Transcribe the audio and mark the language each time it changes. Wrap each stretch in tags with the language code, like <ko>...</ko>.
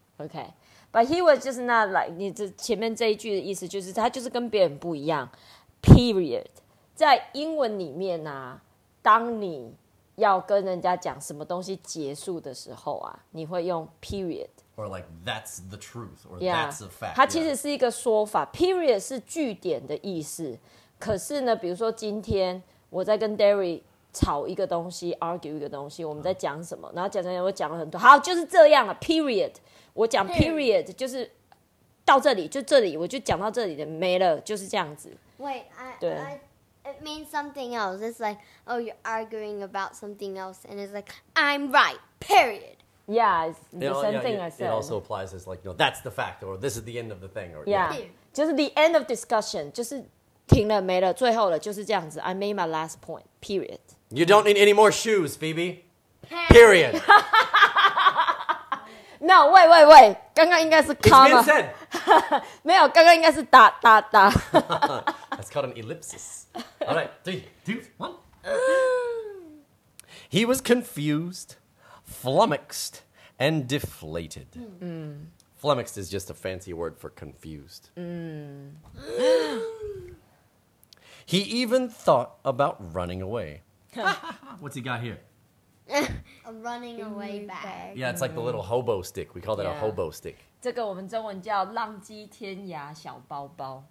<en>OK， but he was just not like</en> <zh>你这前面这一句的意思就是他就是跟别人不一样。 Period， 在英文里面啊，当你要跟人家讲什么东西结束的时候啊，你会用 period。</zh> <en>Or like, that's the truth, or yeah, that's a fact.</en> <zh>它其实是一个说法、</zh> <en>yeah.</en> <zh>Period 是句点的意思。可是呢，比如说今天我在跟 Derry 吵一个东西 ，argue 一个东西，我们在讲什么？然后讲讲讲，我讲了很多。好，就是这样了。Period， 我讲 period 就是到这里，就这里，我就讲到这里的，没了，就是这样子。</zh> <en>Wait, I it means something else. It's like, oh, you're arguing about something else, and it's like, I'm right. Period. Yeah, it's the same thing I said. It also applies as like, you know, that's the fact, or this is the end of the thing. Or, yeah, just the end of discussion.</en> <zh>就是停了没了最后了就是这样子</zh> <en>I made my last point, period. You don't need any more shoes, Phoebe. Period. No, wait, wait, wait.</en> <zh>刚刚应该是 comma.</zh> <en>It's been said.</en> <zh>没有刚刚应该是 dot, dot, dot.</zh> <en>That's called an ellipsis. All right, three, two, one. He was confused. Flummoxed and deflated. Flummoxed is just a fancy word for confused. He even thought about running away. What's he got here? A running away bag. Yeah, it's like the little hobo stick. We call that a hobo stick.</en> <zh>这个我们中文叫浪迹天涯小包包。</zh>